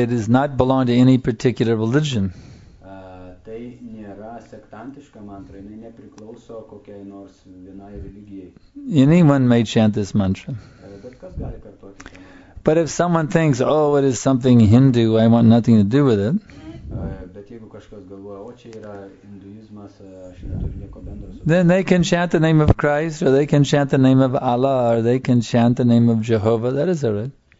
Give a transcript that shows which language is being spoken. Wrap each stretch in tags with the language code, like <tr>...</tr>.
<en>It does not belong to any particular religion.</en> <lt>Tai nėra sektantiška mantra. Jinai nepriklauso kokiai nors vienai religijai.</lt> <en>Anyone may chant this mantra.</en> <lt>Bet kas gali kartuoti šią mantra?</lt> <en>But if someone thinks, oh, it is something Hindu, I want nothing to do with it.</en> <lt>Bet jeigu kažkas galvoja, o čia yra hinduizmas, aš neturiu nieko bendro su.</lt> <en>Then they can chant the name of Christ, or they can chant the name of Allah, or they can chant the name of Jehovah, that is all right.</en>